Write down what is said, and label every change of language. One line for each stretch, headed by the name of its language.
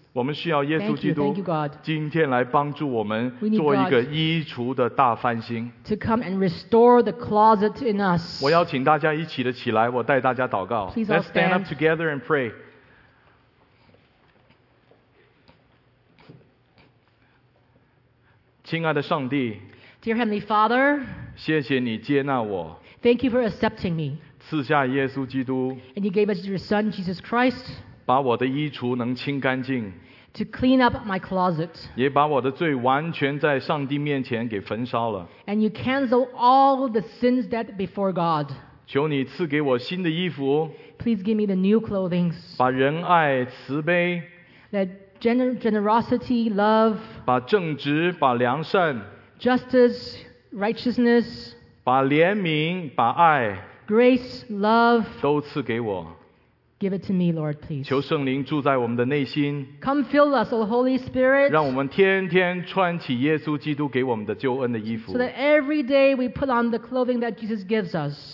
Chinese: 我们需要耶稣基督今天来帮助我们做一个衣橱的大翻新。
English: To come and restore the closet in us.
Chinese: 我邀请大家一起的起来，我带大家祷告。
English: Let's stand up together and pray.
Chinese: 亲爱的上帝，
English: Dear Heavenly Father,
Chinese: 谢谢你接纳我。
English: Thank you for accepting me.
Chinese: 赐下耶稣基督。
English: And you gave us your Son, Jesus Christ.
Chinese: 把我的衣橱能清干净
English: to clean up my closet,
Chinese: 也把我的罪完全在上帝面前给焚烧了
English: and you cancel all the sins that before God.
Chinese: 求你赐给我新的衣服
English: please give me the new clothing.
Chinese: 把仁爱慈悲
English: that generosity, love,
Chinese: 把正直把良善
English: justice, righteousness,
Chinese: 把怜悯把爱
English: grace, love,
Chinese: 都赐给我
English: Give it to me, Lord, please.
Chinese: 求圣灵住在我们的内心。
English: Come fill us, O Holy Spirit.
Chinese: 让我们天天穿起耶稣基督给我们的救恩的衣服。
English: So that every day we put on the clothing that Jesus gives us.